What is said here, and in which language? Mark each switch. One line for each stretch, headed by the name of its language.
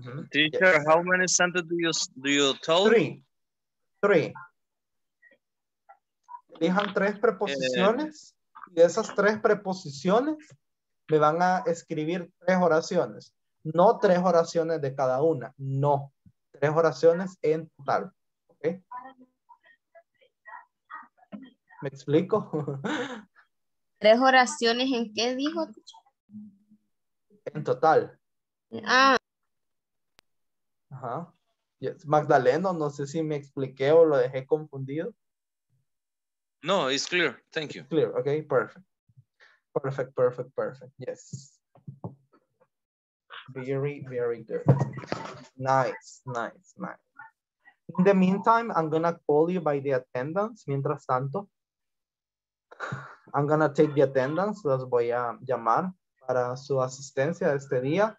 English: Teacher, yes. How many sentences do you tell? Three.
Spanish: Elijan tres preposiciones y de esas tres preposiciones me van a escribir tres oraciones. No tres oraciones de cada una, no. Tres oraciones en total. ¿Ok? ¿Me explico? ¿Tres oraciones en qué dijo? En total. Ah. Ajá. Yes. Magdaleno, no sé si me expliqué o lo dejé confundido.
English: No, it's clear. Thank you. It's clear, ok, perfect. Perfect, perfect, perfect. Yes. Very, very good. Nice, nice, nice. In the meantime, I'm gonna call you by the attendance.
Spanish: Mientras tanto,
English: I'm gonna take the attendance.
Spanish: Los voy a llamar para su asistencia este día.